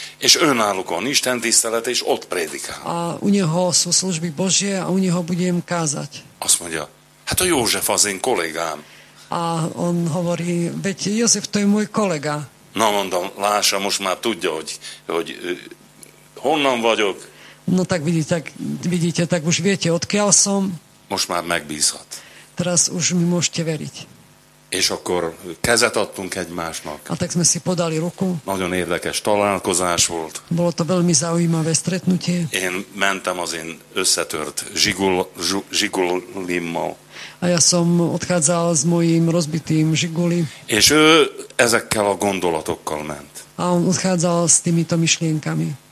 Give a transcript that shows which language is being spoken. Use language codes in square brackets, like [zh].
[hu] És önálluk van Isten tisztelet, és ott prédikál. [sk] A u neho sú služby Božie a u neho budem kázať. [hu] Azt mondja, hát a József az én kollégám. [sk] A on hovorí, veď József to je môj kolega. [hu] Na mondom, lássa, most már tudja, hogy honnan vagyok. [sk] No tak vidíte, tak už viete, odkiaľ som. [hu] Most már megbízhat. [sk] Teraz už mi môžete veriť. [hu] És akkor kezet adtunk egymásnak. [sk] A tak sme si podali ruku. [hu] Nagyon érdekes találkozás volt. [sk] Bolo to veľmi zaujímavé stretnutie. [hu] Én mentem az én összetört zsigulimmal. [sk] A ja som odchádzal s mojím rozbitým žiguli. [hu] És ő ezekkel a gondolatokkal ment. [sk] A on odchádzal s týmito myšlienkami.